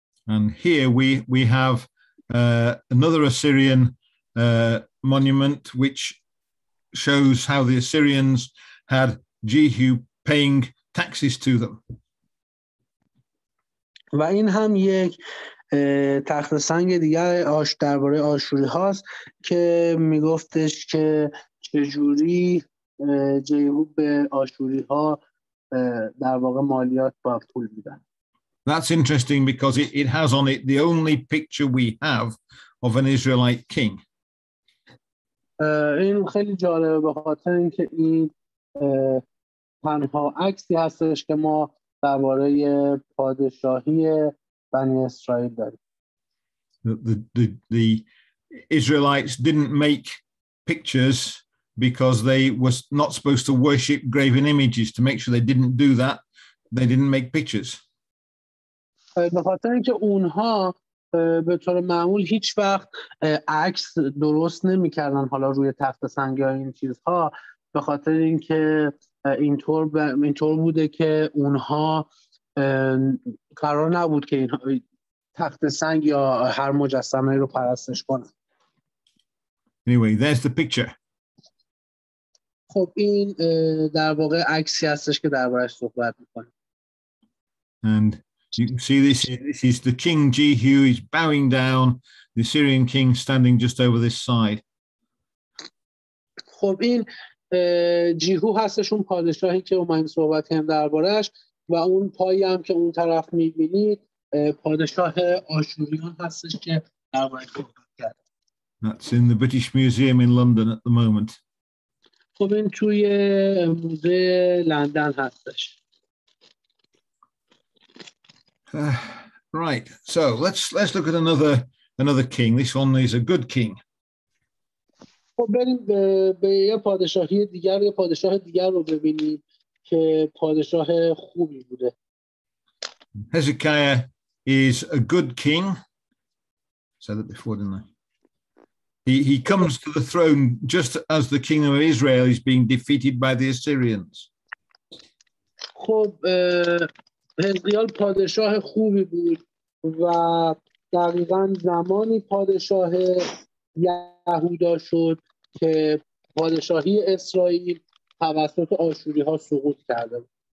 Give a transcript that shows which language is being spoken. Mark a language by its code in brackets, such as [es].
[en] And here we have another Assyrian monument which shows how the Assyrians had Jehu paying taxes to them. [fa] و این هم یک تخت سنگ دیگر درباره آشوری هاست که میگفتش که چجوری جیهو به آشوری ها در واقع مالیات با پول میدن. [en] That's interesting because it has on it the only picture we have of an Israelite king. [fa] این خیلی جالبه به خاطر اینکه این تنها عکسی هستش که ما درباره پادشاهی بنی اسرائیل داریم. [en] The Israelites didn't make pictures because they was not supposed to worship graven images. To make sure they didn't do that, they didn't make pictures. [fa] به خاطر اینکه اونها به طور معمول هیچ وقت عکس درست نمی کردن حالا روی تخت سنگ یا این چیزها به خاطر اینکه اینطور بوده که اونها قرار نبود که این تخت سنگ یا هر مجسمه رو پرستش کنن. [en] Anyway, there's the picture. [fa] خب این در واقع عکسی هستش که درباره‌اش صحبت می‌کنه. [en] And you can see this is the king Jehu is bowing down, the Syrian king standing just over this side. [fa] خب این جیهو هستش اون پادشاهی که اومدیم صحبت کنیم دربارش و اون پایی هم که اون طرف میبینید پادشاه آشوریان هستش که دربارش صحبت کرد. [en] That's in the British Museum in London at the moment. [fa] خب این توی موزه لندن هستش. [en] Right, so let's look at another king. This one is a good king. [fa] خب بریم به یه پادشاهی دیگر یه پادشاه دیگر رو ببینیم که پادشاه خوبی بوده. [en] Hezekiah is a good king. I said that before, didn't I? He comes to the throne just as the kingdom of Israel is being defeated by the Assyrians. [fa] خب هزقیال پادشاه خوبی بود و دقیقا زمانی پادشاه یهودا شد که پادشاهی اسرائیل توسط آشوری ها سقوط کرده بود.